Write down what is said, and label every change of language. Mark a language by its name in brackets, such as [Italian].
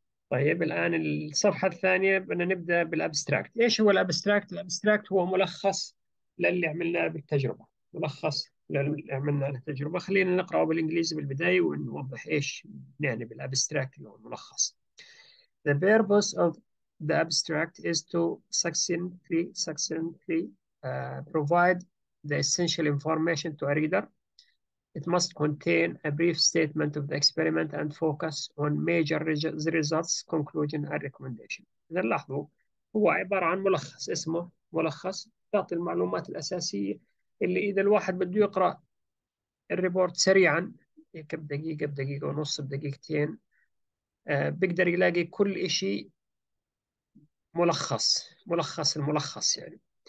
[Arabic] طيب الان الصفحه الثانيه بدنا نبدا بالابستراكت. ايش هو الابستراكت؟ الابستراكت هو ملخص للي عملناه بالتجربه، ملخص للي عملناه بالتجربه. خلينا نقراه بالانجليزي بالبدايه ونوضح ايش يعني بالابستراكت اللي هو ملخص. [English] The purpose of the abstract is to succinctly provide the essential information to a reader. It must contain a brief statement of the experiment and focus on major results, conclusion, and recommendation. [Arabic] إذا لاحظوا هو عبارة عن ملخص، اسمه ملخص، يعطي المعلومات الأساسية اللي إذا الواحد بده يقرأ الريبورت سريعا هيك بدقيقة بدقيقة ونص بدقيقتين بيقدر يلاقي كل إشي ملخص، ملخص الملخص يعني.